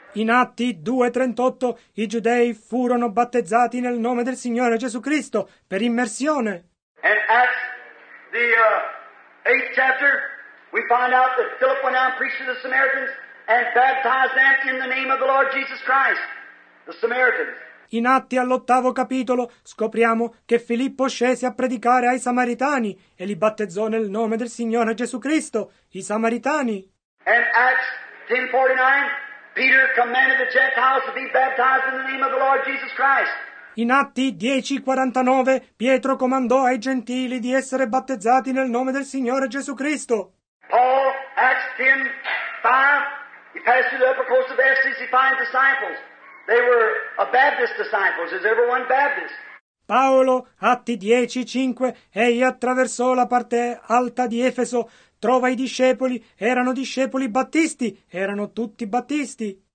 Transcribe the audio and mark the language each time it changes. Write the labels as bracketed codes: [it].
[it] In Atti 2:38, i giudei furono battezzati nel nome del Signore Gesù Cristo per immersione. [en] And Acts the 8th chapter, we find out that Philip went out and preached to the Samaritans and baptized them in the name of the Lord Jesus Christ, the Samaritans. [it] In Atti all'ottavo capitolo scopriamo che Filippo scese a predicare ai Samaritani e li battezzò nel nome del Signore Gesù Cristo, i Samaritani. [en] And Acts 10:49, Peter commanded the Gentiles to be baptized in the name of the Lord Jesus Christ. [it] In Atti 10:49, Pietro comandò ai Gentili di essere battezzati nel nome del Signore Gesù Cristo. [en] Paul, Acts 10:5, he passed through the upper coast of Ephesus, he finds disciples. They were a Baptist disciples. Is everyone Baptist? [it] Paolo, Atti 10:5, egli attraversò la parte alta di Efeso, trova i discepoli, erano discepoli battisti, erano tutti battisti.